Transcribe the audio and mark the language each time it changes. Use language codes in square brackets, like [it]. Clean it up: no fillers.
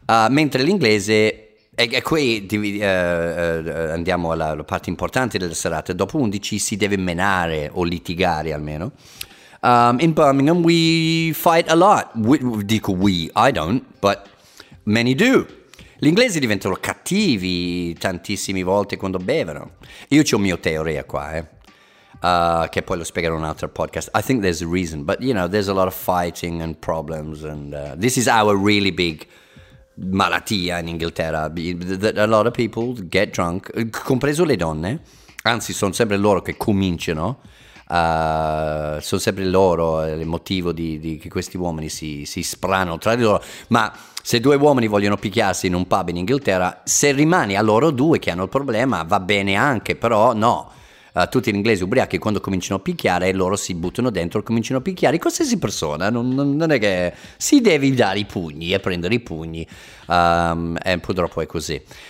[it] Mentre l'inglese, e qui andiamo alla parte importante della serata, dopo 11 si deve menare o litigare almeno. [en] In Birmingham we fight a lot. I don't, but many do. [it] Gli inglesi diventano cattivi tantissime volte quando bevono. Io c'ho mia teoria qua, che poi lo spiegherò in un altro podcast. [en] I think there's a reason, but you know, there's a lot of fighting and problems, and this is our really big malattia in Inghilterra, that a lot of people get drunk, [it] compreso le donne. Anzi, sono sempre loro che cominciano. Sono sempre loro il motivo di che questi uomini si sprano tra di loro. Ma se due uomini vogliono picchiarsi in un pub in Inghilterra, se rimani a loro due che hanno il problema, va bene anche, però no, tutti in inglese ubriachi, quando cominciano a picchiare loro si buttano dentro, cominciano a picchiare qualsiasi persona, non è che si deve dare i pugni e prendere i pugni, e purtroppo è così.